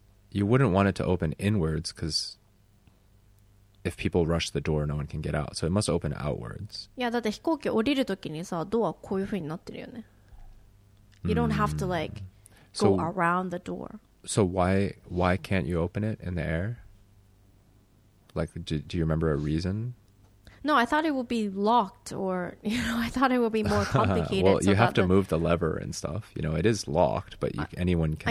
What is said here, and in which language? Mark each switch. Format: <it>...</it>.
<en>You wouldn't want it to open inwards because if people rush the door, no one can get out. So it must open outwards.</en> <ja>Yeah, だって飛行機降りるときにさ、ドアこういう風になってるよね。</ja> <en>You don't have to like go so, around the door. So why can't you open it in the air? Like, do you remember a reason? No, I thought it would be locked or, you know, I thought it would be more complicated. Well, you have to move the lever and stuff. You know, it is locked, but anyone can.</en>